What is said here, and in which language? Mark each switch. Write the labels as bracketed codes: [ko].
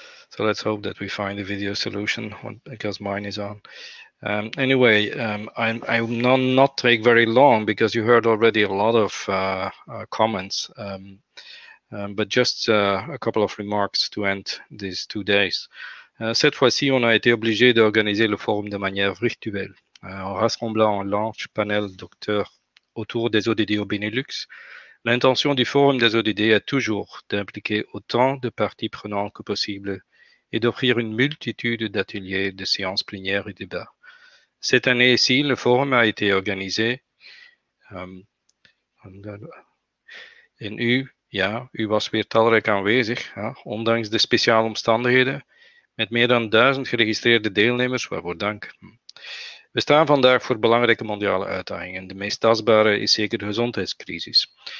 [en] So let's hope that we find a video solution because mine is on. I will not take very long because you heard already a lot of comments. But just a couple of remarks to end these 2 days. [fr] Cette fois-ci, on a été obligé d'organiser le forum de manière virtuelle, en rassemblant un large panel d'acteurs autour des ODD au Benelux. L'intention du forum des ODD est toujours d'impliquer autant de parties prenantes que possible et d'offrir une multitude d'ateliers, de séances plénières et débats. Cette année-ci, le forum a été organisé [nl] En u, ja, u was weer talrijk aanwezig, ja, ondanks de speciale omstandigheden, met meer dan 1000 geregistreerde deelnemers, waarvoor dank. We staan vandaag voor belangrijke mondiale uitdagingen. De meest tastbare is zeker de gezondheidscrisis.